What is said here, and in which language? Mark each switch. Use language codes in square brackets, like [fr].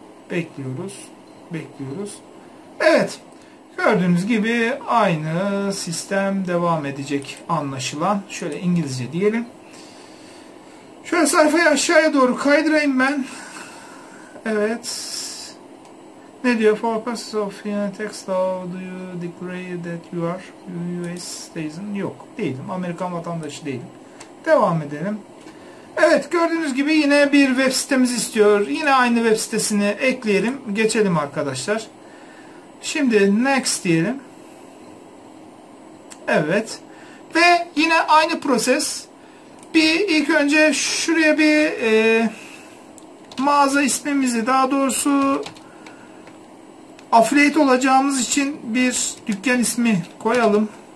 [tr] Bekliyoruz. Bekliyoruz. Evet. Gördüğünüz gibi aynı sistem devam edecek anlaşılan. Şöyle İngilizce diyelim. Şöyle sayfayı aşağıya doğru kaydırayım ben. Evet. Ne diyor? [en] For purposes of text law, do you declare that you are US citizen? [tr] Yok. Değilim. Amerikan vatandaşı değilim. Devam edelim. Evet, gördüğünüz gibi yine bir web sitemiz istiyor. Yine aynı web sitesini ekleyelim. Geçelim arkadaşlar. Şimdi next diyelim. Evet. Ve yine aynı proses. Bir ilk önce şuraya bir mağaza ismimizi, daha doğrusu affiliate olacağımız için bir dükkan ismi koyalım.